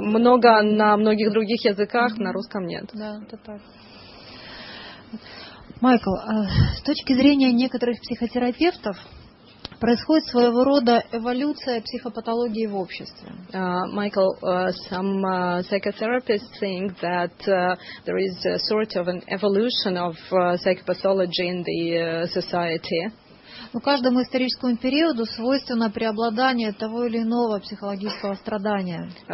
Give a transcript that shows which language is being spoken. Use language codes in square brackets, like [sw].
[ru] Много на многих других языках, на русском нет. Да, это так. Майкл, с точки зрения некоторых психотерапевтов, происходит своего рода эволюция психопатологии в обществе. [en] Michael, some psychotherapists think that there is a sort of an evolution of psychopathology in the society. [ru] Но каждому историческому периоду свойственно преобладание того или иного психологического страдания.